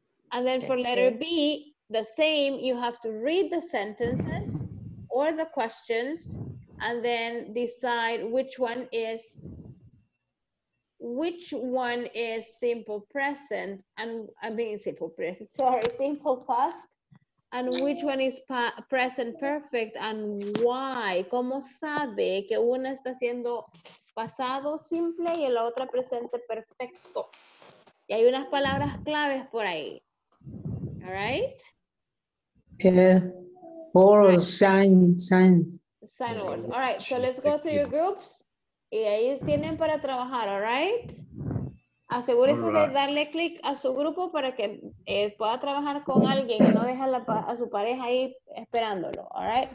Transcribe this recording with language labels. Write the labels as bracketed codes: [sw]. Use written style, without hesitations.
[en] And then for letter B, the same, you have to read the sentences or the questions and then decide which one is simple present and I mean simple present, sorry, simple past, and which one is present perfect and why. [es] ¿Cómo sabe que una está haciendo pasado simple y la otra presente perfecto? Y hay unas palabras claves por ahí. All right? [en] Yeah. Or sign words. All right, so let's go to your groups. [es] Y ahí tienen para trabajar, all right? Asegúrese de darle click a su grupo para que pueda trabajar con alguien y no deje a su pareja ahí esperándolo, all right?